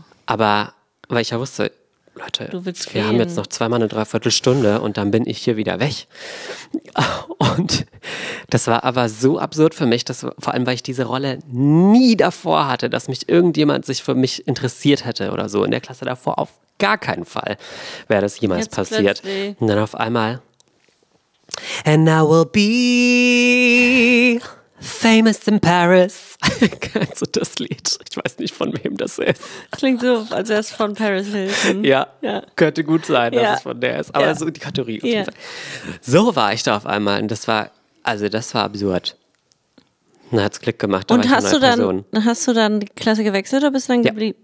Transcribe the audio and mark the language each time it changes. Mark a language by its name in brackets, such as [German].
[German] Aber, weil ich ja wusste, Leute, wir haben jetzt noch zweimal eine Dreiviertelstunde und dann bin ich hier wieder weg. Und das war aber so absurd für mich, dass, vor allem weil ich diese Rolle nie davor hatte, dass mich irgendjemand sich für mich interessiert hätte oder so. In der Klasse davor auf gar keinen Fall wäre das jemals jetzt passiert. Plötzlich. Und dann auf einmal. [English] And I will be famous in Paris. [German] Kennst du das Lied? Ich weiß nicht, von wem das ist. Klingt so, als wäre es von Paris Hilton. Ja, könnte gut sein, dass es von der ist. Aber so die Kategorie. Ja. So war ich da auf einmal. Und das war, also das war absurd. Dann hat es Klick gemacht. Und hast du, dann die Klasse gewechselt oder bist du dann geblieben?